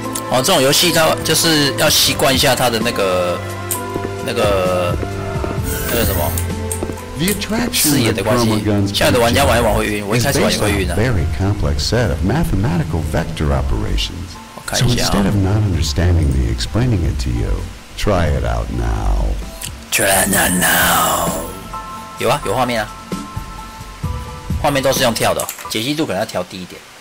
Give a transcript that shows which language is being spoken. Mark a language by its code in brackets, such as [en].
[zh] 哦，这种游戏它就是要习惯一下它的那个什么视野的关系，现在的玩家玩一玩会晕，我一开始玩也会晕的。 [en] It's based on a very complex set of mathematical vector operations. [zh] 我看一下啊。 [en] So instead of not understanding the explaining it to you, try it out now. Try it out now. [zh] 有啊，有画面啊。画面都是用跳的，解析度可能要调低一点。